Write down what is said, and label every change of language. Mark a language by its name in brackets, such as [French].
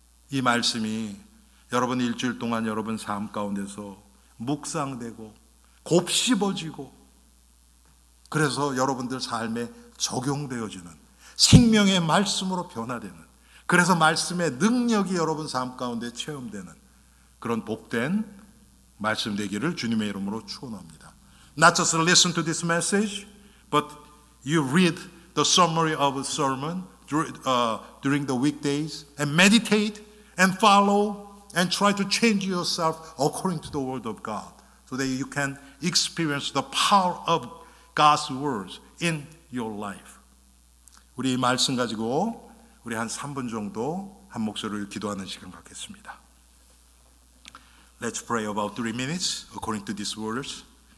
[Korean] 이 말씀이 여러분 일주일 동안 여러분 삶 가운데서 묵상되고 곱씹어지고 그래서 여러분들 삶에 적용되어지는 생명의 말씀으로 변화되는 그래서 말씀의 능력이 여러분 삶 가운데 체험되는 그런 복된 말씀 되기를 주님의 이름으로 축원합니다. [English] Not just listen to this message, but you read the summary of a sermon during the weekdays and meditate and follow and try to change yourself according to the word of God so that you can experience the power of God's words in your life. [Korean] 우리 말씀 가지고 우리 한 3분 정도 한 목소리를 기도하는 시간 갖겠습니다. [English] Let's pray about 3 minutes according to these words.